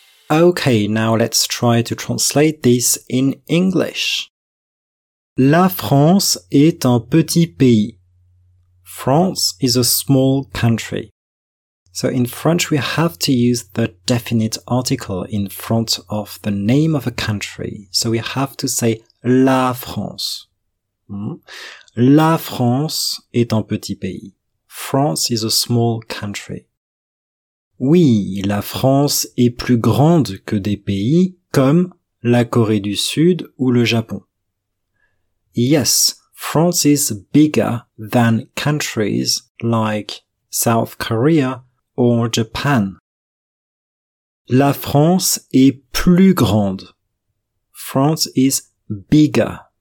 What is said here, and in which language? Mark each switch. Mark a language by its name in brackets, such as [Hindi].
[English] Okay, now let's try to translate this in English. [French] La France est un petit pays. [English] France is a small country. So in French we have to use the definite article in front of the name of a country. So we have to say La France. [French] La France est un petit pays. [English] France is a small country. [French] Oui, la France est plus grande que des pays comme la Corée du Sud ou le Japon. [English] Yes, France is bigger than countries like South Korea or Japan. [French] La France est plus grande. [English] France is bigger.